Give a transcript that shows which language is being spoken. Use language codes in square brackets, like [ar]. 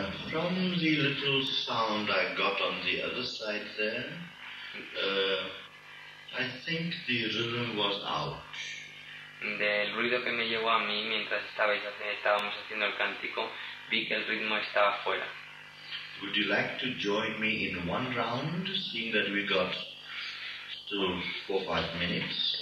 [en] From the little sound I got on the other side there, I think the rhythm was out. [es] Del ruido que me llegó a mí mientras estábamos haciendo el cántico, vi que el ritmo estaba fuera. [en] Would you like to join me in one round, seeing that we got still 4 or 5 minutes?